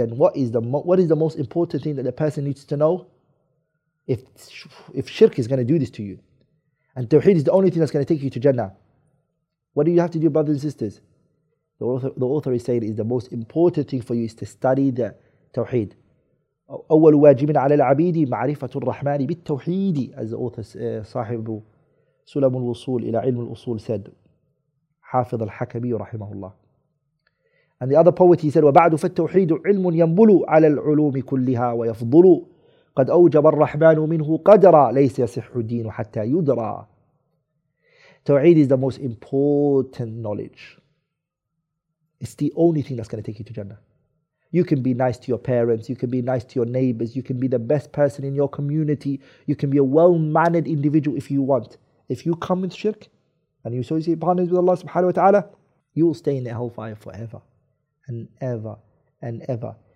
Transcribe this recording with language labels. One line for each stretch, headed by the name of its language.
English: Then what is the most important thing that the person needs to know? If shirk is going to do this to you, and tawheed is the only thing that's going to take you to Jannah, what do you have to do, brothers and sisters? The author is saying is the most important thing for you is to study the tawheed.
Arabic: أول واجب على العبيد معرفة الرحمن بالتوحيد,
English: as the author
Arabic: صاحب سلم الوصول إلى علم الأصول
English: said,
Arabic: حافظ الحكمي رحمه الله.
English: And the other poet, he said,
Arabic: وبعد فالتوحيد علم ينبل على العلوم كلها ويفضل قد أوجب الرحمن منه قدرا ليس يصح الدين حتى يدرى.
English: Tawheed is the most important knowledge. It's the only thing that's going to take you to Jannah. You can be nice to your parents, you can be nice to your neighbors, you can be the best person in your community, you can be a well-mannered individual if you want. If you come with shirk, and you associate partners with Allah subhanahu wa ta'ala, you will stay in the hellfire forever and ever and ever.